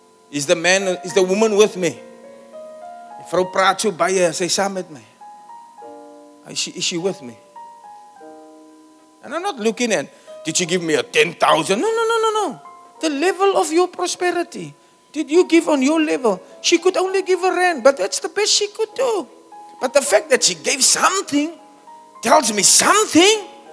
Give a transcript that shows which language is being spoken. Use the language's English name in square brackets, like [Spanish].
[English] Is the man, is the woman with me? [Afrikaans] Vrou praat so baie, sy is saam met my. [English] Is she with me? And I'm not looking at, did she give me a 10,000? No. The level of your prosperity. Did you give on your level? She could only give a rand, but that's the best she could do. But the fact that she gave something tells me something.